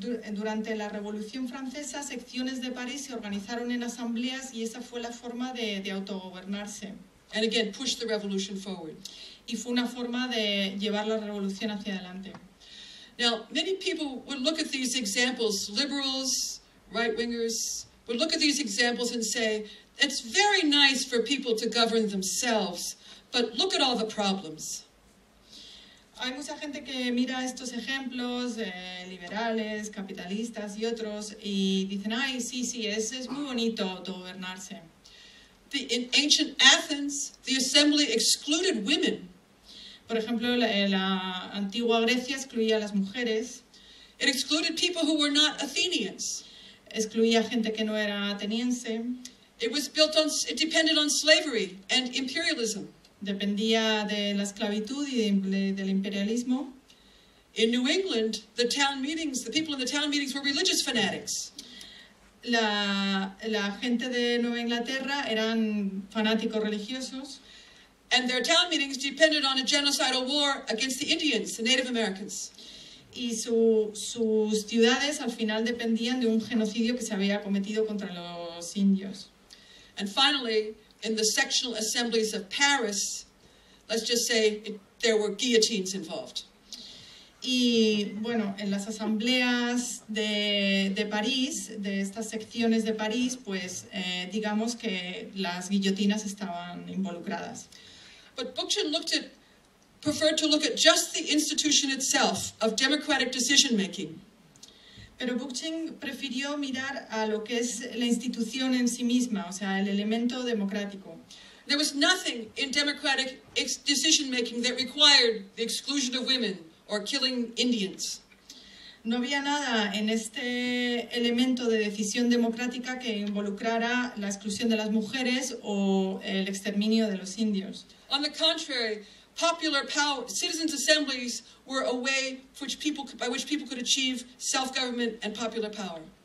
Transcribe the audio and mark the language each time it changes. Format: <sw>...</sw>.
<es>durante la Revolución Francesa, secciones de París se organizaron en asambleas y esa fue la forma de autogobernarse.</es> <en>And again, push the revolution forward.</en> <es>Y fue una forma de llevar la revolución hacia adelante.</es> <en>Now, many people would look at these examples, liberals, right-wingers, would look at these examples and say, it's very nice for people to govern themselves, but look at all the problems.</en> <es>Hay mucha gente que mira estos ejemplos, liberales, capitalistas y otros, y dicen, ay, sí, sí, es muy bonito autogobernarse.</es> <en>In ancient Athens, the assembly excluded women.</en> <es>Por ejemplo, la antigua Grecia excluía a las mujeres.</es> <en>It excluded people who were not Athenians.</en> <es>Excluía gente que no era ateniense.</es> <en>It was built on, it depended on slavery and imperialism.</en> <es>Dependía de la esclavitud y del imperialismo.</es> <en>In New England, the town meetings, the people in the town meetings were religious fanatics.</en> <es>La gente de Nueva Inglaterra eran fanáticos religiosos.</es> <en>And their town meetings depended on a genocidal war against the Indians, the Native Americans.</en> <es>Y sus ciudades al final dependían de un genocidio que se había cometido contra los indios.</es> <en>And finally, in the sectional assemblies of Paris, let's just say there were guillotines involved.</en> <es>Y bueno, en las asambleas de París, de estas secciones de París, pues digamos que las guillotinas estaban involucradas.</es> <en>But Bookchin looked at, preferred to look at just the institution itself of democratic decision making.</en> <es>Pero Bookchin prefirió mirar a lo que es la institución en sí misma, o sea, el elemento democrático.</es> <en>There was nothing in democratic decision making that required the exclusion of women or killing Indians.</en> <es>No había nada en este elemento de decisión democrática que involucrara la exclusión de las mujeres o el exterminio de los indios.</es> <en>On the contrary, popular power, citizens' assemblies were a way by which people could achieve self-government and popular power.</en>